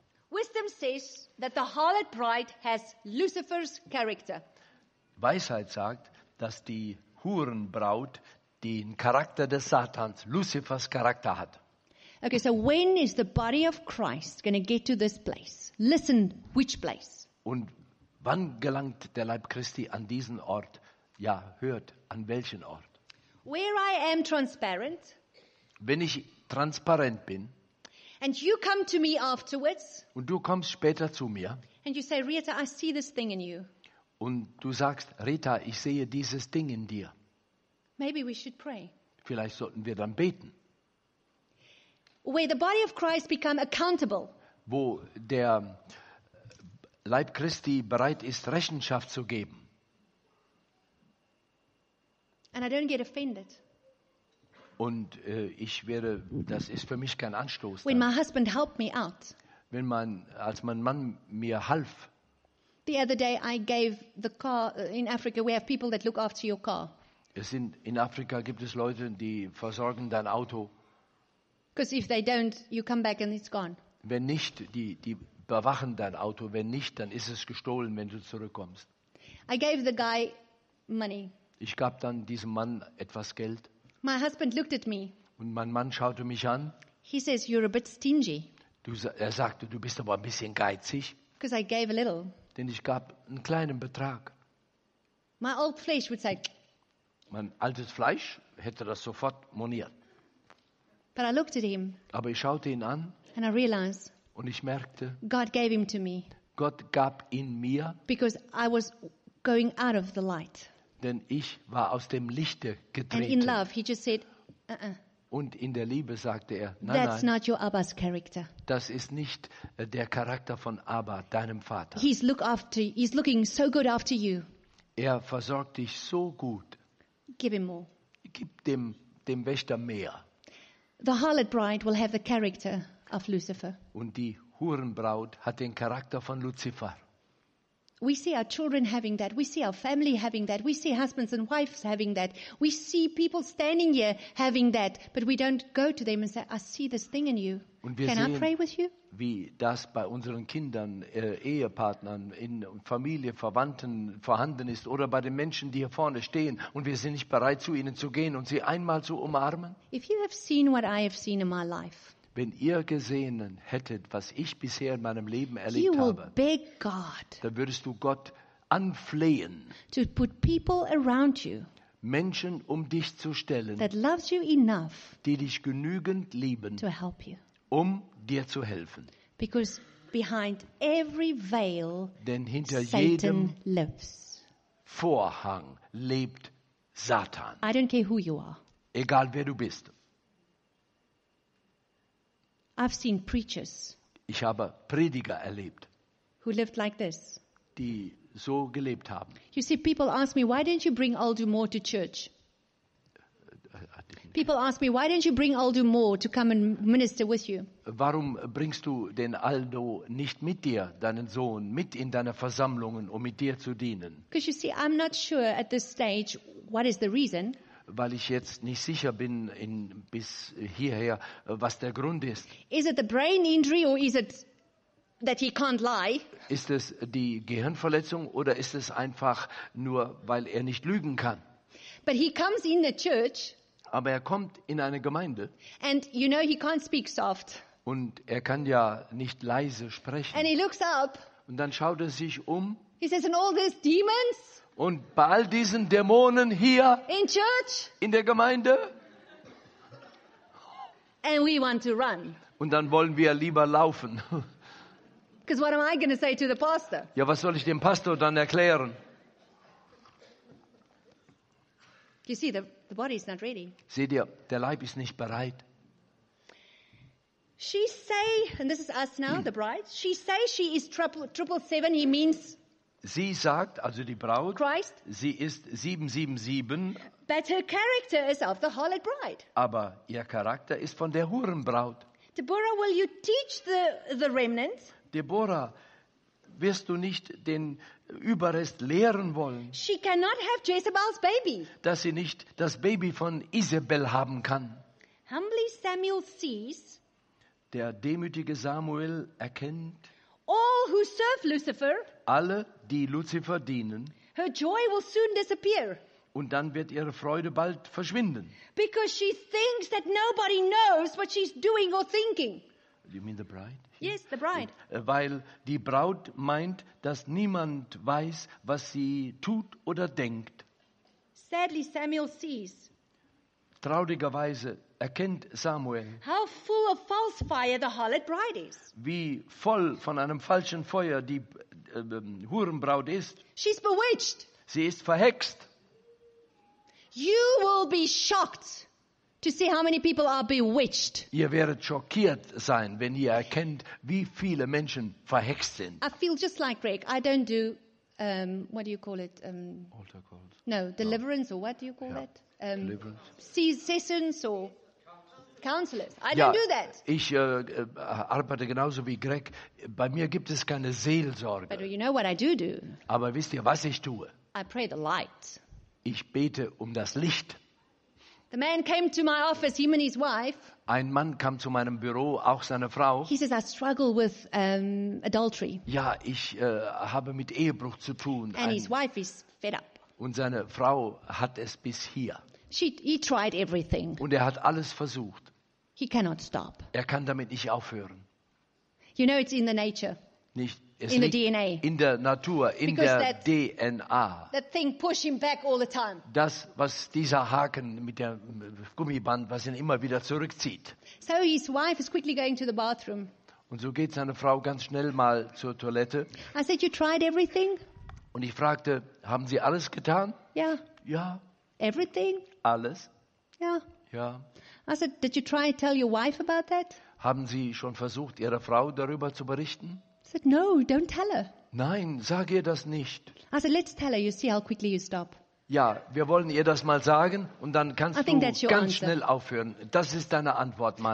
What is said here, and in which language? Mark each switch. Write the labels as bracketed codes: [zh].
[en] Wisdom says that the harlot bride has Lucifer's character. [de] Weisheit sagt, dass die Hurenbraut den Charakter des Satans, Lucifers Charakter hat. [en] Okay, so when is the body of Christ going to get to this place? Listen, which place? [de] Und wann gelangt der Leib Christi an diesen Ort? Ja, hört, an welchen Ort? [en] Where I am transparent. [de] Wenn ich transparent bin. [en] And you come to me afterwards. [de] Und du kommst später zu mir. [en] And you say, Rita, I see this thing in you. [de] Und du sagst, Rita, ich sehe dieses Ding in dir. [en] Maybe we should pray. [de] Vielleicht sollten wir dann beten. [en] Where the body of Christ become accountable. [de] Wo der Leib Christi bereit ist, Rechenschaft zu geben. [en] And I don't get offended. [de] Und ich werde, das ist für mich kein Anstoß. [en] When my husband helped me out. [de] Wenn man, als mein Mann mir half. [en] The other day I gave the car in Africa. We have people that look after your car. [de] Es sind, in Afrika gibt es Leute, die versorgen dein Auto. [en] Because if they don't, you come back and it's gone. [de] Wenn nicht, die bewachen dein Auto. Wenn nicht, dann ist es gestohlen, wenn du zurückkommst. [en] I gave the guy money. [de] Ich gab dann diesem Mann etwas Geld. [en] My husband looked at me. [de] Und mein Mann schaute mich an. [en] He says, you're a bit stingy. [de] Er sagte, du bist aber ein bisschen geizig. [en] Because I gave a little. [de] Denn ich gab einen kleinen Betrag. [en] My old flesh would say, [de] mein altes Fleisch hätte das sofort moniert. [en] But I looked at him, [de] aber ich schaute ihn an [en] and I realized, [de] und ich merkte, [en] God gave him to me, [de] Gott gab ihn mir, [en] because I was going out of the light. [de] Denn ich war aus dem Lichte getreten. [en] And in love, he just said, [de] Und in der Liebe sagte er, nein, [en] that's [de] nein, [en] not your Abba's character. [de] Das ist nicht der Charakter von Abba, deinem Vater. [en] He's looking so good after you. [de] Er versorgt dich so gut. [en] Give him more. [de] Gib dem Wächter mehr. [en] The harlot bride will have the character of Lucifer. [de] Und die Hurenbraut hat den Charakter von Lucifer. [en] We see our children having that. We see our family having that. We see husbands and wives having that. We see people standing here having that. But we don't go to them and say, I see this thing in you. [de] Und wir [en] can [de] sehen, [en] I pray with you? [de] Wie das bei unseren Kindern, Ehepartnern, in Familie, Verwandten vorhanden ist oder bei den Menschen, die hier vorne stehen und wir sind nicht bereit, zu ihnen zu gehen und sie einmal zu umarmen. [en] If you have seen what I have seen in my life, [de] wenn ihr gesehen hättet, was ich bisher in meinem Leben erlebt habe, dann würdest du Gott anflehen, [en] to put people around you, [de] Menschen um dich zu stellen, [en] that loves you enough, [de] die dich genügend lieben, [en] to help you, [de] um dir zu helfen. [en] Because behind every veil, [de] denn hinter [en] Satan [de] jedem [en] lives. [de] Vorhang lebt Satan. [en] I don't care who you are. [de] Egal wer du bist. [en] I've seen preachers. [de] Ich habe Prediger erlebt. [en] Who lived like this? [de] Die so gelebt haben. [en] You see, people ask me, why didn't you bring Aldo Moore to church? People ask me, why don't you bring Aldo Moore to come and minister with you? [de] Warum bringst du den Aldo nicht mit dir, deinen Sohn, mit in deine Versammlungen, um mit dir zu dienen? [en] Because you see, I'm not sure at this stage what is the reason. [de] Weil ich jetzt nicht sicher bin bis hierher, was der Grund ist. [en] Is it the brain injury or is it that he can't lie? [de] Ist es die Gehirnverletzung oder ist es einfach nur, weil er nicht lügen kann? [en] But he comes in the church. [de] Aber er kommt in eine Gemeinde. [en] And you know he can't speak soft. [de] Und er kann ja nicht leise sprechen. [en] And he looks up. [de] Und dann schaut er sich um. [en] He says, and all these demons. [de] Und bei all diesen Dämonen hier. [en] In church. [de] In der Gemeinde. [en] And we want to run. [de] Und dann wollen wir lieber laufen. [en] Because what am I going to say to the pastor? [de] Ja, was soll ich dem Pastor dann erklären? [en] You see, the body is not ready. [de] Seht ihr, der Leib ist nicht bereit. [en] She say, and this is us now, the bride. She say she is 777. He means. [de] Sie sagt, also die Braut. [en] Christ. [de] Sie ist 777. [en] But her character is of the harlot bride. [de] Aber ihr Charakter ist von der Hurenbraut. [en] Deborah, will you teach the remnant? [de] Deborah, wirst du nicht den Überrest lehren wollen? [en] She cannot have Jezebel's baby. [de] Dass sie nicht das Baby von Isabel haben kann. [en] Humbly Samuel sees. [de] Der demütige Samuel erkennt. [en] All who serve Lucifer. [de] Alle, die Lucifer dienen. [en] Her joy will soon disappear. [de] Und dann wird ihre Freude bald verschwinden. [en] Because she thinks that nobody knows what she's doing or thinking. You mean the bride? Yes, the bride. [de] Weil die Braut meint, dass niemand weiß, was sie tut oder denkt. [en] Sadly, Samuel sees. [de] Traurigerweise erkennt Samuel, [en] how full of false fire the harlot bride is. [de] Wie voll von einem falschen Feuer die Hurenbraut ist. [en] She's bewitched. [de] Sie ist verhext. [en] You will be shocked. To see how many people are bewitched. [de] Ihr werdet schockiert sein, wenn ihr erkennt, wie viele Menschen verhext sind. [en] I feel just like Greg. I don't do, what do you call it? Altar calls. No, deliverance, no. Or what do you call that? Deliverance. Sessions or counselors. I don't do that. [de] Ich arbeite genauso wie Greg. Bei mir gibt es keine Seelsorge. [en] But you know what I do? [de] Aber wisst ihr, was ich tue? [en] I pray the light. [de] Ich bete um das Licht. [en] The man came to my office, him and his wife. [de] Ein Mann kam zu meinem Büro, auch seine Frau. [en] He says, I struggle with adultery. [de] Ja, ich habe mit Ehebruch zu tun. [en] And his wife is fed up. [de] Und seine Frau hat es bis hier. [en] He tried everything. [de] Und er hat alles versucht. [en] He cannot stop. [de] Er kann damit nicht aufhören. [en] You know, it's in the nature. [de] Nicht, [en] es in the DNA. [de] In der Natur, in [en] because [de] der DNA. [en] That thing pushing back all the time. [de] Das, was dieser Haken mit dem Gummiband, was ihn immer wieder zurückzieht. [en] So his wife is quickly going to the bathroom. [de] Und so geht seine Frau ganz schnell mal zur Toilette. [en] I said, you tried everything? [de] Und ich fragte, haben Sie alles getan? Ja. Ja. [en] Everything? [de] Alles? Ja. Ja. [en] I said, did you try to tell your wife about that? [de] Haben Sie schon versucht, Ihrer Frau darüber zu berichten? [en] I said, no, don't tell her. [de] Nein, sag ihr das nicht. [en] I said, let's tell her, you see how quickly you stop. [de] Ja, wir wollen ihr das mal sagen und dann kannst [en] I [de] du ganz [en] answer. [de] Schnell aufhören. Das ist deine Antwort, Mann.